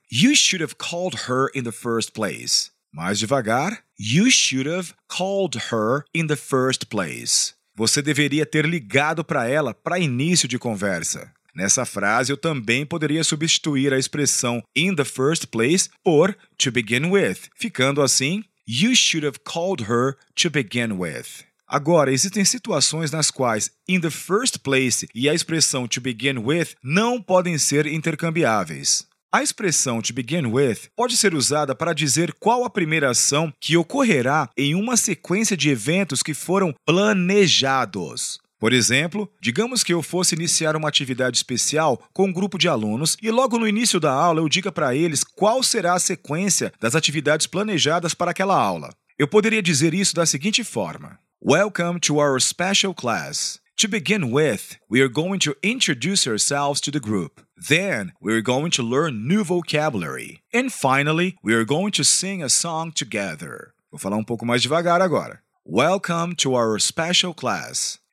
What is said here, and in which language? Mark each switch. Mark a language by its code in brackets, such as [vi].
[en] You should have called her in the first place. [pt] Mais devagar. [en] You should have called her in the first place. [pt] Você deveria ter ligado para ela para início de conversa. Nessa frase, eu também poderia substituir a expressão [en] in the first place [pt] por [en] to begin with, [pt] ficando assim, [en] you should have called her to begin with. [pt] Agora, existem situações nas quais [en] in the first place [pt] e a expressão [en] to begin with [pt] não podem ser intercambiáveis. A expressão [en] to begin with [pt] pode ser usada para dizer qual a primeira ação que ocorrerá em uma sequência de eventos que foram planejados. Por exemplo, digamos que eu fosse iniciar uma atividade especial com um grupo de alunos e logo no início da aula eu diga para eles qual será a sequência das atividades planejadas para aquela aula. Eu poderia dizer isso da seguinte forma. [en] Welcome to our special class. To begin with, we are going to introduce ourselves to the group. Then, we are going to learn new vocabulary. And finally, we are going to sing a song together. [pt] Vou falar um pouco mais devagar agora. [en] Welcome to our special class.